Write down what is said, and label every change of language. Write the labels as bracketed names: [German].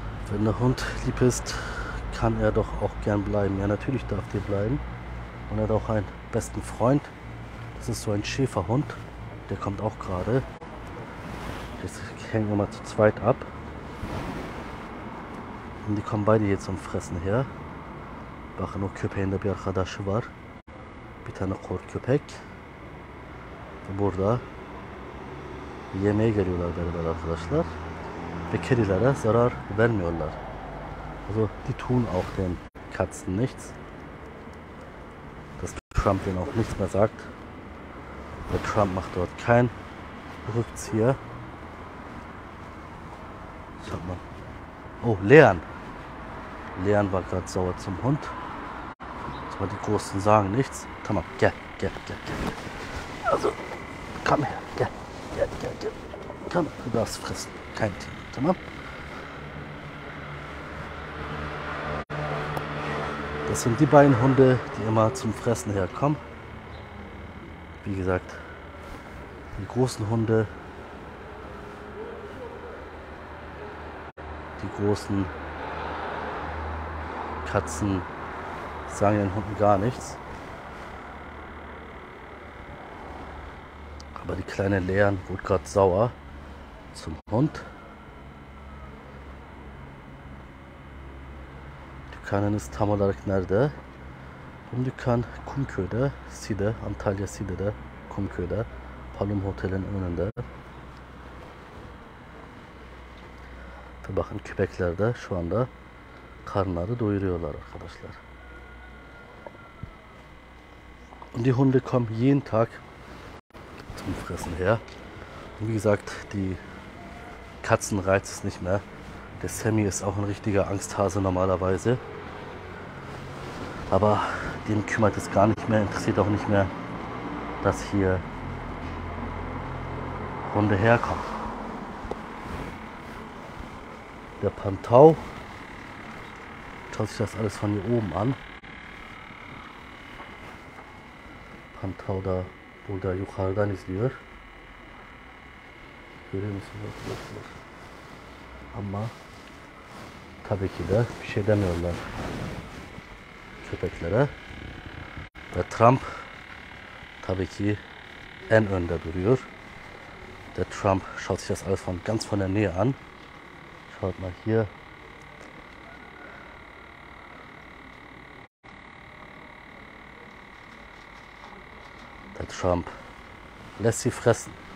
[German] Wenn der Hund lieb ist, kann er doch auch gern bleiben. Ja, natürlich darf der bleiben. Und er hat auch einen besten Freund. Das ist so ein Schäferhund. Der kommt auch gerade. Jetzt hängen wir mal zu zweit ab. Und die kommen beide hier zum Fressen her. [Turkish] Bakın o köpeğin de bir arkadaşı var. Bir tane kor köpek. Burada yemeğe geliyorlar beraber arkadaşlar. Ve kedilere zarar vermiyorlar. [German] Also die tun auch den Katzen nichts. Dass Trump denen auch nichts mehr sagt. Der Trump macht dort keinen Rückzieher. Schaut mal. Oh, Leon. Leon war gerade sauer zum Hund. Aber die Großen sagen nichts. Komm mal, geh, geh, geh, geh. Also, komm her, geh, geh, geh, geh. Komm, du darfst fressen. Kein Thema, komm mal. Das sind die beiden Hunde, die immer zum Fressen herkommen. Wie gesagt, die großen Hunde. Die großen Katzen sagen den Hunden gar nichts. Aber die kleine Leon wurde gerade sauer zum Hund. [Turkish] Dükkanın tam olarak nerede? Bu dükkan Kumköy'de, Side, Antalya Side'de, Kumköy'de, Palum Hotel'in önünde. Ve bakın köpekler de şu anda karnları doyuruyorlar arkadaşlar. [German] Und die Hunde kommen jeden Tag zum Fressen her. Und wie gesagt, die Katzen reizt es nicht mehr. Der Sammy ist auch ein richtiger Angsthase normalerweise. Aber den kümmert es gar nicht mehr, interessiert auch nicht mehr, dass hier Hunde herkommen. Der Pantau schaut sich das alles von hier oben an. [Turkish] Pantau da wohl da yukarıdan izliyor. Görüyor musun? Yok, yok, yok. Ama tabii ki de bir şey demiyorlar köpeklere. Ve Trump tabii ki en önde duruyor. [German] Der Trump schaut sich das alles von ganz von der Nähe an. Schaut mal hier. Trump lässt sie fressen.